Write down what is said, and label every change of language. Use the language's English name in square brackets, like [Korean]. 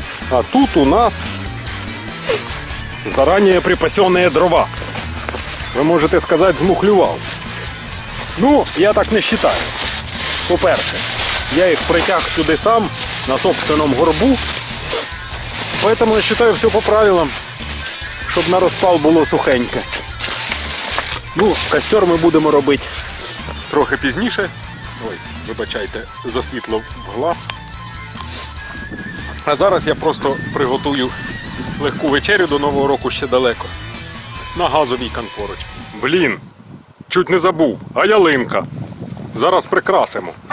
[Ukrainian] А тут у нас заранее припасені дрова. Ви можете сказати, змухлював. Ну, я так не вважаю. По-перше, я їх притяг сюди сам. [Russian] На собственном горбу. Поэтому я считаю все по правилам, чтобы на распал было сухенько. Ну, костер мы будем [Ukrainian] робить трохи пізніше. Ой, вибачайте, за світло в глаз. А зараз я просто приготую легку вечерю до Нового року ще далеко. На газовій конфорочці. Блін, чуть не забув, а ялинка. Зараз прикрасимо.